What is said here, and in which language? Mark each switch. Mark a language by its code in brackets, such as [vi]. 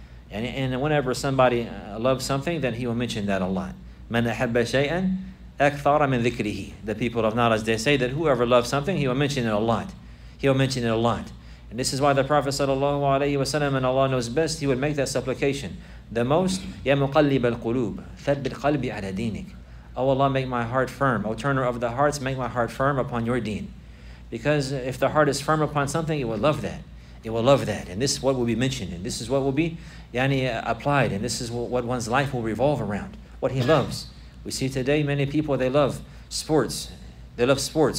[en] And whenever somebody loves something, then he will mention that a lot. [ar] مَنْ أَحَبَّ شَيْئًا أَكْثَرَ مِنْ ذِكْرِهِ. [en] The people of knowledge, they say that whoever loves something, he will mention it a lot. He'll mention it a lot. And this is why the Prophet sallallahu alayhi wa sallam, and Allah knows best, he would make that supplication. The most, [ar] يَا مُقَلِّبَ الْقُلُوبِ ثَبِّتْ قَلْبِ عَلَى دِينِكَ. [en] Oh Allah, make my heart firm. O turner of the hearts, make my heart firm upon your deen. Because if the heart is firm upon something, it will love that. It will love that. And this is what will be mentioned. And this is what will be yani applied. And this is what one's life will revolve around. What he loves. We see today many people, they love sports. They love sports.